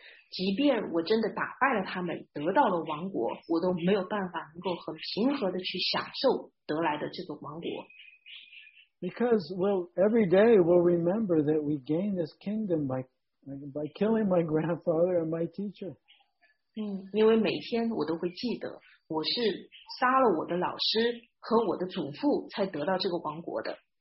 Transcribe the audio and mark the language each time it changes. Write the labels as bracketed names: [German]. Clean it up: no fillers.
[Chinese] 即便我真的打败了他们，得到了王国，我都没有办法能够很平和的去享受得来的这个王国。 [English] Because well, every day we'll remember that we gained this kingdom by killing my grandfather and my teacher. [Chinese] 因为每天我都会记得，我是杀了我的老师。和我的祖父才得到这个王国的。